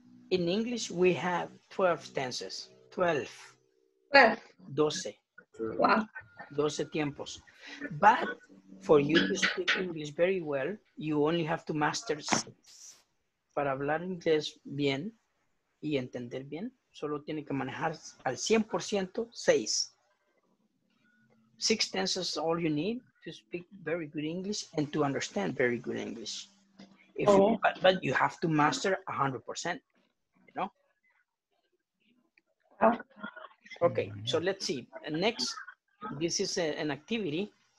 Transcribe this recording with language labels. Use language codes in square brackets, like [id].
[en] In English, we have 12 tenses. 12. 12. 12. Wow. [es] 12 tiempos. [en] But for you to speak English very well, you only have to master 6. [es] Para hablar inglés bien y entender bien, solo tiene que manejar al 100% 6. [en] 6 tenses is all you need to speak very good English and to understand very good English. But you have to master 100%. Okay, so let's see. And next, this is an activity.